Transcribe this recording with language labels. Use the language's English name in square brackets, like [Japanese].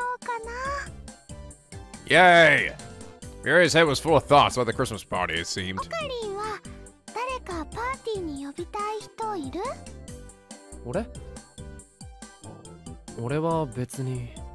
[Japanese] うーん、料理はどれくらいいるかな。ユキさんと一緒に用意する予定なんだけどね。そうだ、ルカ君やフェリシちゃんにも手伝ってもらおうかな。Yay! [English] Mary's head was full of thoughts about the Christmas party, it seemed. [Japanese] オカリンは誰かパーティーに呼びたい人いる？俺は別に。